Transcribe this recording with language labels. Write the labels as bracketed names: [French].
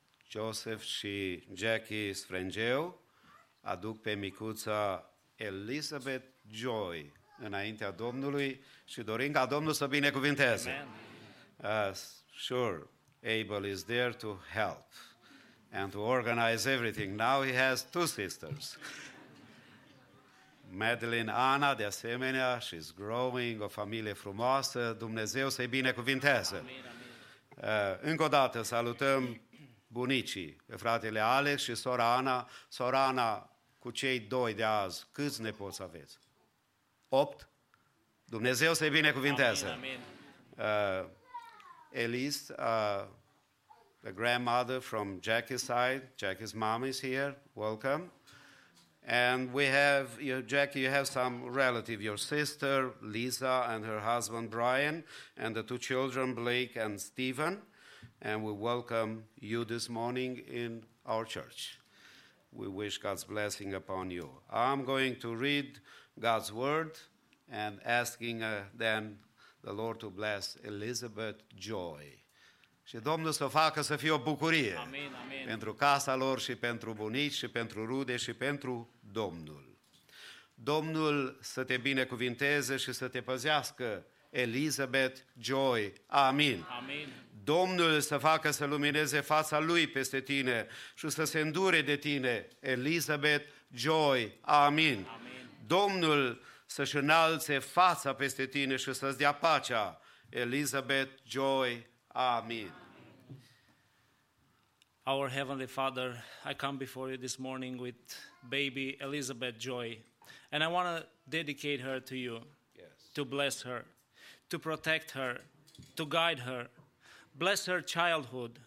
[Romanian] Joseph și Jackie Sfrângeu aduc pe micuța Elizabeth Joy înaintea Domnului și dorim ca Domnul să binecuvinteze. [English] Sure, Abel is there to help and to organize everything. Now he has two sisters. [Romanian] Madeline Ana, de asemenea, [English] she's growing, [Romanian] o familie frumoasă, Dumnezeu să-i binecuvinteze. Încă o dată salutăm bunicii, fratele Alex și sora Ana. Sora Ana, cu cei doi de azi, câți nepoți aveți? 8? Dumnezeu să-i binecuvinteze. [English] Elise, the grandmother from Jackie's side, Jackie's mom is here, welcome. And we have, Jackie, you have some relative, your sister Lisa and her husband Brian, and the two children, Blake and Stephen. And we welcome you this morning in our church. We wish God's blessing upon you. I'm going to read God's word and asking then the Lord to bless Elizabeth Joy. [Romanian] Și Domnul să facă să fie o bucurie. Amin, amin. Pentru casa lor și pentru bunici și pentru rude și pentru Domnul. Domnul să te binecuvinteze și să te păzească, Elizabeth Joy. Amin. Amin. Domnul să facă să lumineze fața lui peste tine și să se îndure de tine, Elizabeth Joy. Amin. Amin. Domnul să-și înalțe fața peste tine și să-ți dea pacea, Elizabeth Joy. [English] Amen. Our Heavenly Father, I come before you this morning with baby Elizabeth Joy, and I want to dedicate her to you, yes, to bless her, to protect her, to guide her, bless her childhood,